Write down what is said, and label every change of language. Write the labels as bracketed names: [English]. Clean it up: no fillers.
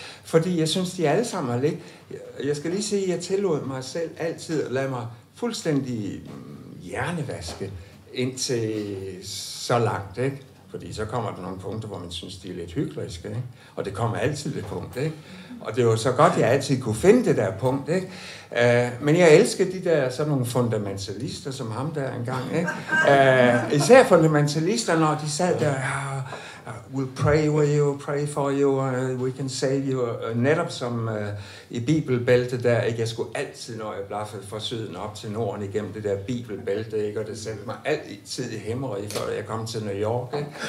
[Danish] Fordi jeg synes, de alle sammen har lidt... Jeg skal lige sige, at jeg tillod mig selv altid at lade mig fuldstændig hjernevaske indtil så langt. Ikke? Fordi så kommer der nogle punkter, hvor man synes, de er lidt hykleriske. Ikke? Og det kommer altid det punkt. Ikke? Og det var så godt, jeg altid kunne finde det der punkt. Ikke? Men jeg elsker de der sådan nogle fundamentalister, som ham der engang. Ikke? Især fundamentalister, når de sad der... [English] We'll pray with you, pray for you, we can save you. [Danish] Netop som i Bibelbæltet der, ikke? Jeg skulle altid, når jeg blaffede fra syden op til Norden igennem det der Bibelbælte, ikke? Og det sendte mig altid i hæmmeri, før jeg kom til New York.